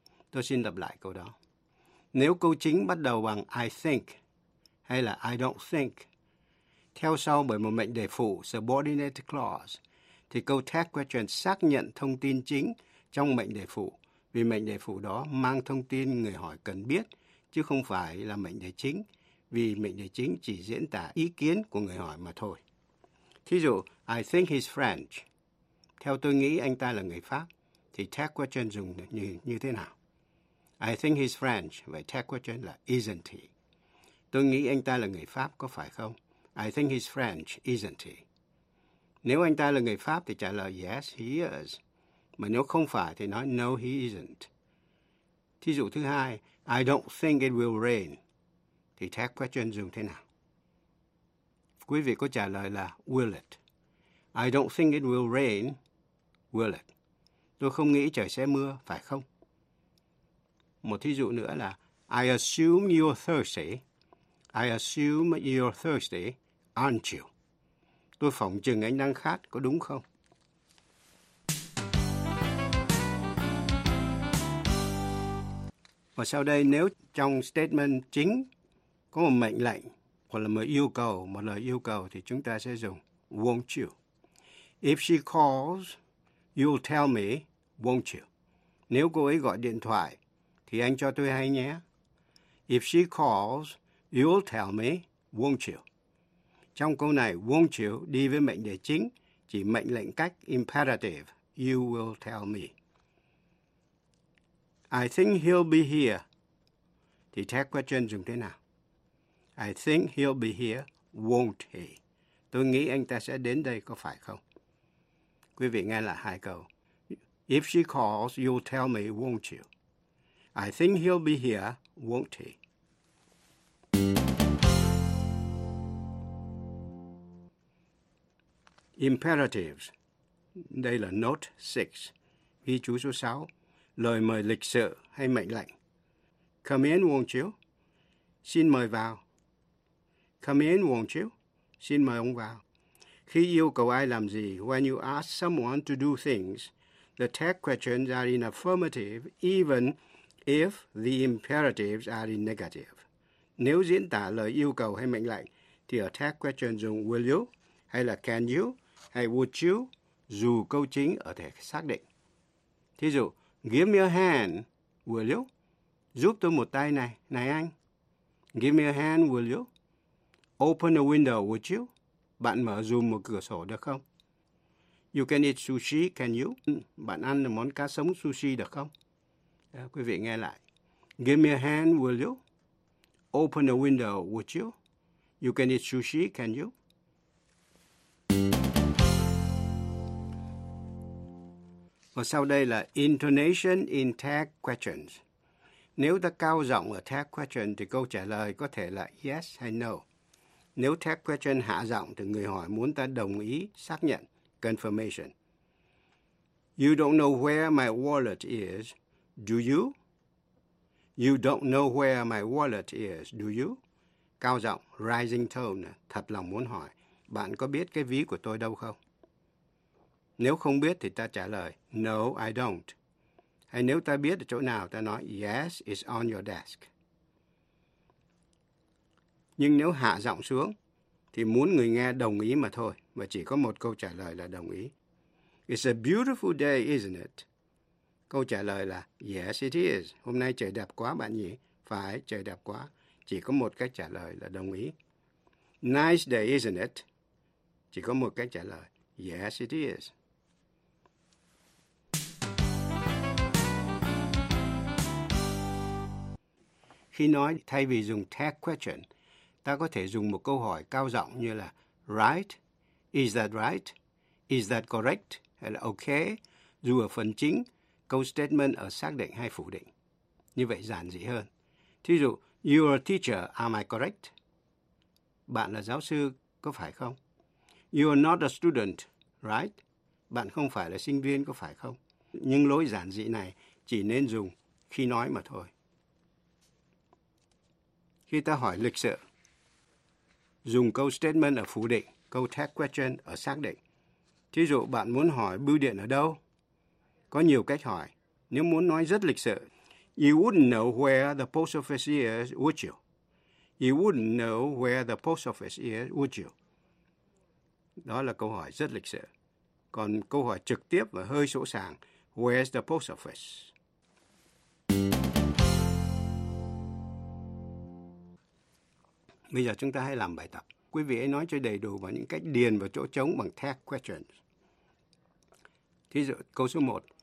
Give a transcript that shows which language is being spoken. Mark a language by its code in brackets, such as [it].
[vi] Tôi xin lặp lại câu đó. Nếu câu chính bắt đầu bằng I think hay là I don't think, theo sau bởi một mệnh đề phụ, subordinate clause, thì câu tag question xác nhận thông tin chính trong mệnh đề phụ, vì mệnh đề phụ đó mang thông tin người hỏi cần biết, chứ không phải là mệnh đề chính, vì mệnh đề chính chỉ diễn tả ý kiến của người hỏi mà thôi. Thí dụ, [en] I think he's French. [vi] Theo tôi nghĩ anh ta là người Pháp, thì tag question dùng như thế nào? [en] I think he's French, vậy tag question là isn't he? [vi] Tôi nghĩ anh ta là người Pháp, có phải không? [en] I think he's French, isn't he? [vi] Nếu anh ta là người Pháp thì trả lời [en] yes, he is. [vi] Mà nếu không phải thì nói [en] no, he isn't. [vi] Thí dụ thứ hai, [en] I don't think it will rain. [vi] Thì tag question dùng thế nào? Quý vị có trả lời là will it? [en] I don't think it will rain, will it? [vi] Tôi không nghĩ trời sẽ mưa, phải không? Một thí dụ nữa là [en] I assume you're thirsty. [vi] I assume you're thirsty, aren't you? Tôi phỏng chừng anh đang khát, có đúng không? Và sau đây, nếu trong statement chính có một mệnh lệnh hoặc là một lời yêu cầu thì chúng ta sẽ dùng won't you. [en] If she calls, you'll tell me, won't you? [vi] Nếu cô ấy gọi điện thoại thì anh cho tôi hay nhé. [en] If she calls, you'll tell me, won't you? [vi] Trong câu này, won't you đi với mệnh đề chính, chỉ mệnh lệnh cách imperative, [en] you will tell me. I think he'll be here. [vi] Thì tag question dùng thế nào? [en] I think he'll be here, won't he? [vi] Tôi nghĩ anh ta sẽ đến đây, có phải không? Quý vị nghe lại hai câu. [en] If she calls, you'll tell me, won't you? I think he'll be here, won't he? [vi] Imperatives. Đây là note 6, ghi chú số 6. Lời mời lịch sự hay mệnh lệnh. [en] Come in, won't you? [vi] Xin mời vào. [en] Come in, won't you? [vi] Xin mời ông vào. Khi yêu cầu ai làm gì, [en] when you ask someone to do things, the tag questions are in affirmative, even if the imperatives are in negative. [vi] Nếu diễn tả lời yêu cầu hay mệnh lệnh, thì ở tag question dùng will you, hay là can you, hay would you, dù câu chính ở thể xác định. [en] Thí dụ, give me a hand, will you? [vi] Giúp tôi một tay này, này anh. [en] Give me a hand, will you? Open a window, would you? [vi] Bạn mở dùm một cửa sổ được không? [en] You can eat sushi, can you? [vi] Bạn ăn được món cá sống sushi được không? À, quý vị nghe lại. [en] Give me a hand, will you? Open a window, would you? You can eat sushi, can you? [vi] Và sau đây là [en] intonation in tag questions. [vi] Nếu ta cao giọng ở tag question thì câu trả lời có thể là yes hay no. Nếu tag question hạ giọng thì người hỏi muốn ta đồng ý, xác nhận, confirmation. [en] You don't know where my wallet is, do you? You don't know where my wallet is, do you? [vi] Cao giọng, rising tone, thật lòng muốn hỏi, bạn có biết cái ví của tôi đâu không? Nếu không biết thì ta trả lời, [en] no, I don't. [vi] Hay nếu ta biết ở chỗ nào, ta nói, [en] yes, it's on your desk. [vi] Nhưng nếu hạ giọng xuống, thì muốn người nghe đồng ý mà thôi, mà chỉ có một câu trả lời là đồng ý. [en] It's a beautiful day, isn't it? [vi] Câu trả lời là, [en] yes, it is. [vi] Hôm nay trời đẹp quá, bạn nhỉ? Phải, trời đẹp quá. Chỉ có một cách trả lời là đồng ý. [en] Nice day, isn't it? [vi] Chỉ có một cách trả lời. [en] Yes, it is. [vi] Khi nói, thay vì dùng tag question, ta có thể dùng một câu hỏi cao giọng như là right, [en] is that right, is that correct, [vi] hay là okay, dù ở phần chính, câu statement ở xác định hay phủ định. Như vậy giản dị hơn. [en] Thí dụ, you are a teacher, am I correct? [vi] Bạn là giáo sư, có phải không? [en] You are not a student, right? [vi] Bạn không phải là sinh viên, có phải không? Nhưng lối giản dị này chỉ nên dùng khi nói mà thôi. Khi ta hỏi lịch sự, dùng câu statement ở phủ định, câu tag question ở xác định. Thí dụ, bạn muốn hỏi bưu điện ở đâu? Có nhiều cách hỏi. Nếu muốn nói rất lịch sự, [en] you wouldn't know where the post office is, would you? You wouldn't know where the post office is, would you? [vi] Đó là câu hỏi rất lịch sự. Còn câu hỏi trực tiếp và hơi sổ sàng, [en] where's the post office? [vi] Bây giờ chúng ta hãy làm bài tập. Quý vị hãy nói cho đầy đủ vào những cách điền vào chỗ trống bằng tag questions. Thí dụ, câu số 1.